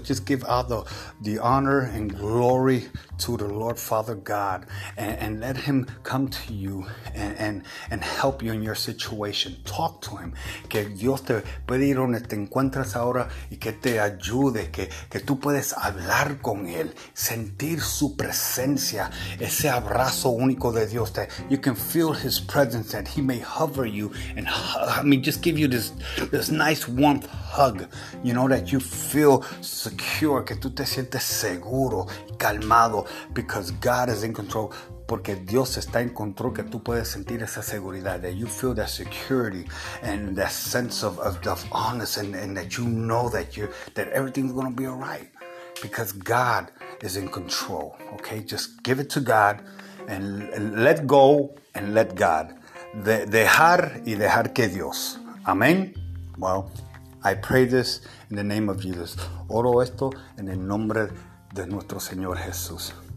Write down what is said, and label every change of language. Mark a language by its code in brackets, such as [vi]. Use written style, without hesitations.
[en] Just give all the honor and glory to the Lord Father God, and let Him come to you and help you in your situation. Talk to Him. [es] Que Dios te puede ir donde te encuentras ahora y que te ayude, que tú puedes hablar con Él, sentir su presencia, ese abrazo único de Dios. [en] That you can feel His presence, that He may hover you and just give you this nice warmth hug. You know, that you feel secure, [es] que tú te sientes seguro, calmado, [en] because God is in control, [es] porque Dios está en control, que tú puedes sentir esa seguridad, [en] that you feel that security and that sense of honest, and that you know that everything's going to be all right, because God is in control, okay? Just give it to God and let go and let God. [es] Dejar y dejar que Dios. Amén. [en] Well, I pray this in the name of Jesus. [es] Oro esto en el nombre de nuestro Señor Jesús.